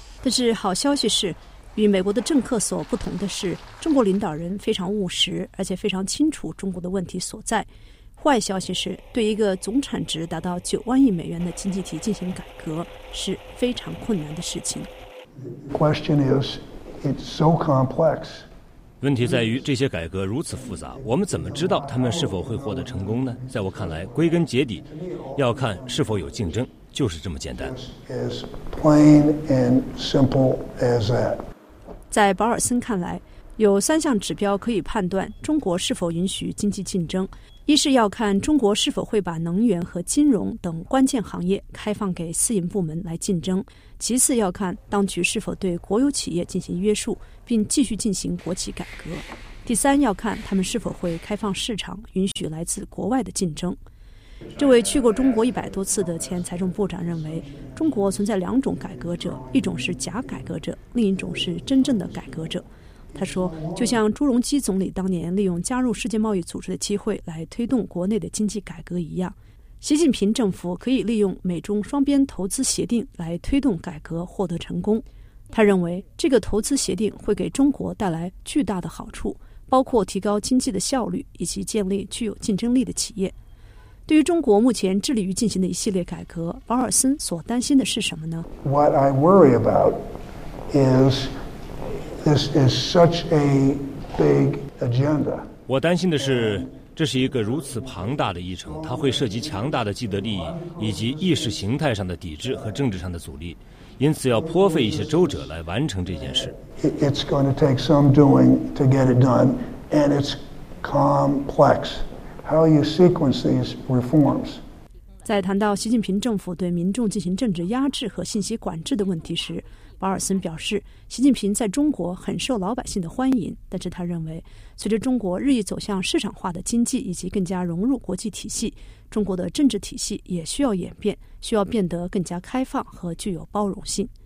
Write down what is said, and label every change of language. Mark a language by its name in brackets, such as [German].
[Chinese] 但是好消息是，与美国的政客所不同的是，中国领导人非常务实，而且非常清楚中国的问题所在。坏消息是，对一个总产值达到9万亿美元的经济体进行改革是非常困难的事情。 [English] Question is, it's so complex. [Chinese] 问题在于这些改革如此复杂，我们怎么知道他们是否会获得成功呢？在我看来，归根结底，要看是否有竞争，就是这么简单。 [English] As plain and simple as that. [Chinese] 在保尔森看来，有三项指标可以判断中国是否允许经济竞争。一是要看中国是否会把能源和金融等关键行业开放给私营部门来竞争，其次要看当局是否对国有企业进行约束并继续进行国企改革，第三要看他们是否会开放市场允许来自国外的竞争。这位去过中国100多次的前财政部长认为，中国存在两种改革者，一种是假改革者，另一种是真正的改革者。他说，就像朱镕基总理当年利用加入世界贸易组织的机会来推动国内的经济改革一样，习近平政府可以利用美中双边投资协定来推动改革获得成功。他认为，这个投资协定会给中国带来巨大的好处，包括提高经济的效率以及建立具有竞争力的企业。对于中国目前致力于进行的一系列改革，保尔森所担心的是什么呢？ [English] What I worry about is... This is such a big agenda. [Chinese] 我担心的是，这是一个如此庞大的议程，它会涉及强大的既得利益以及意识形态上的抵制和政治上的阻力，因此要颇费一些周折来完成这件事。 [English] It's going to take some doing to get it done, and it's complex. How you sequence these reforms? [Chinese] 在谈到习近平政府对民众进行政治压制和信息管制的问题时，保尔森表示，习近平在中国很受老百姓的欢迎，但是他认为，随着中国日益走向市场化的经济以及更加融入国际体系，中国的政治体系也需要演变，需要变得更加开放和具有包容性。